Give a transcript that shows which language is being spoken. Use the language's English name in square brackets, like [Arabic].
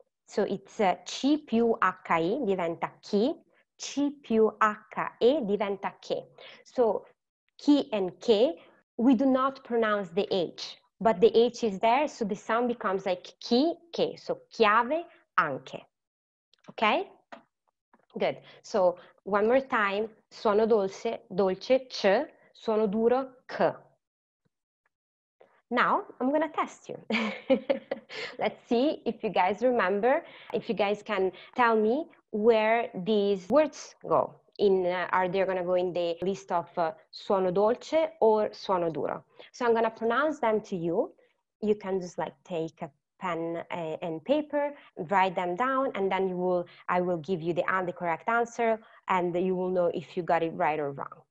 [English] So it's [Italian] C più H-E diventa chi, C più H-E diventa che. [English] So chi and che, we do not pronounce the H, but the H is there, so the sound becomes like chi, che. So chiave, anche. Okay? Good. So one more time, suono dolce, dolce, C, suono duro, C. Now, I'm going to test you. Let's see if you guys remember, if you guys can tell me where these words go. Are they going to go in the list of suono dolce or suono duro? So I'm going to pronounce them to you. You can just like take a pen and paper, write them down, and then I will give you the correct answer, and you will know if you got it right or wrong.